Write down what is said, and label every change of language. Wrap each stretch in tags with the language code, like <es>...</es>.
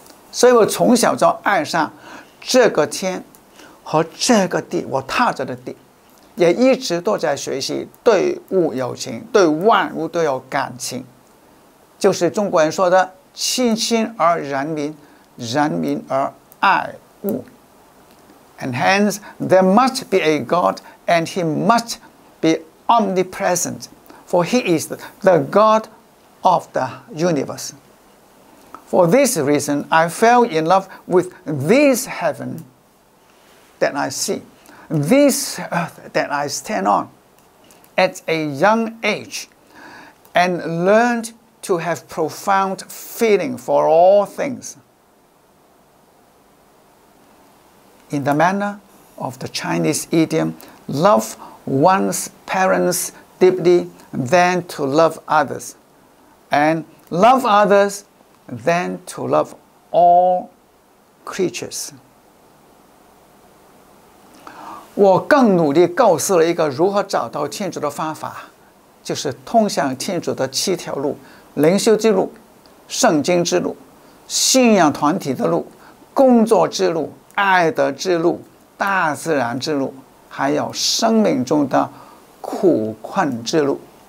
<zh>所以我从小就爱上这个天和这个地，我踏着的地，也一直都在学习对物有情，对万物都有感情，就是中国人说的亲亲而人民，人民而爱物。</zh> <en>And hence there must be a God and he must be omnipresent, for he is the God of the universe. For this reason, I fell in love with this heaven that I see, this earth that I stand on at a young age, and learned to have profound feeling for all things. In the manner of the Chinese idiom, love one's parents deeply, then to love others, and love others, then to love all creatures.</en> <zh>我更努力构思了一个如何找到天主的方法，就是通向天主的七条路：灵修之路、圣经之路、信仰团体的路、工作之路、爱德之路、大自然之路，还有生命中的苦困之路。</zh>